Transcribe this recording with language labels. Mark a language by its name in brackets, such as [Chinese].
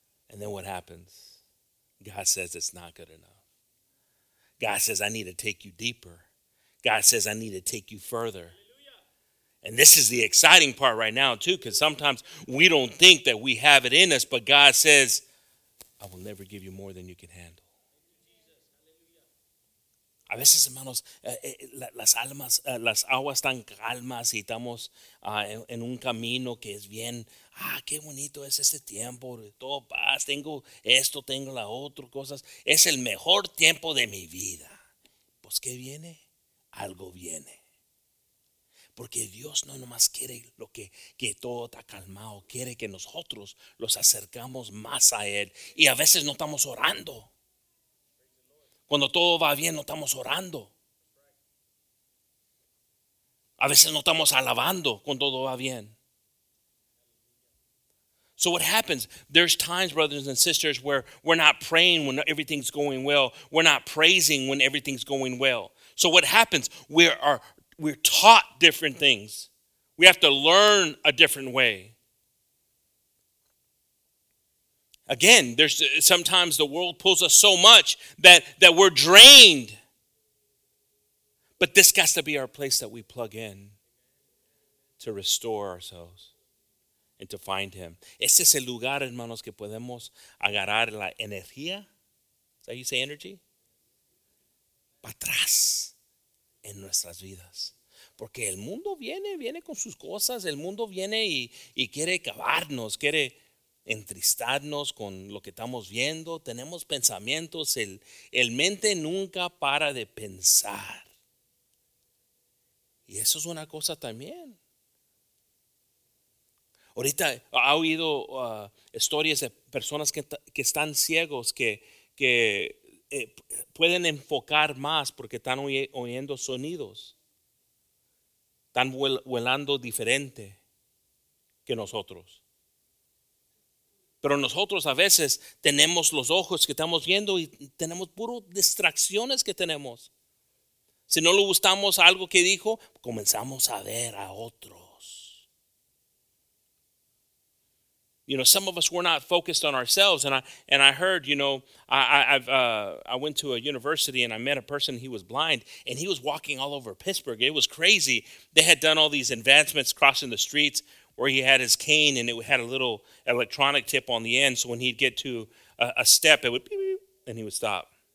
[English] And then what happens? God says it's not good enough. God says, I need to take you deeper. God says, I need to take you further. And this is the exciting part right now, too, because sometimes we don't think that we have it in us, but God says, I will never give you more than you can handle. [Spanish] A veces, hermanos, las aguas están calmas y estamos en un camino que es bien. Ah, qué bonito es este tiempo. Todo paz, tengo esto, tengo la otra, cosas. Es el mejor tiempo de mi vida. Pues, ¿qué viene? Algo viene. Porque Dios no nomás quiere lo que todo está calmado. Quiere que nosotros los acercamos más a Él. Y a veces no estamos orando. Cuando todo va bien, no estamos orando. A veces no estamos alabando cuando todo va bien. [English] So what happens? There's times, brothers and sisters, where we're not praying when everything's going well. We're not praising when everything's going well. So what happens? We're taught different things. We have to learn a different way. Again, there's sometimes the world pulls us so much that we're drained. But this has to be our place that we plug in to restore ourselves and to find Him. [Spanish] Este es el lugar, hermanos, que podemos agarrar la energía. [English] Is that how you say energy? [Spanish] Para atrás. En nuestras vidas. Porque el mundo viene con sus cosas. El mundo viene y quiere acabarnos, quiere entristarnos con lo que estamos viendo. Tenemos pensamientos. El mente nunca para de pensar. Y eso es una cosa también. Ahorita ha oído historias de personas que están ciegos, que pueden enfocar más porque están oyendo sonidos. Están volando diferente que nosotros. Pero nosotros a veces tenemos los ojos que estamos viendo y tenemos puro distracciones que tenemos. Si no le gustamos algo que dijo, comenzamos a ver a otros. [English] you know, some of us were not focused on ourselves. And I heard, you know, I went to a university and I met a person. He was blind and he was walking all over Pittsburgh. It was crazy. They had done all these advancements crossing the streets where he had his cane and it had a little electronic tip on the end. So when he'd get to a step, it would beep, beep, and he would stop.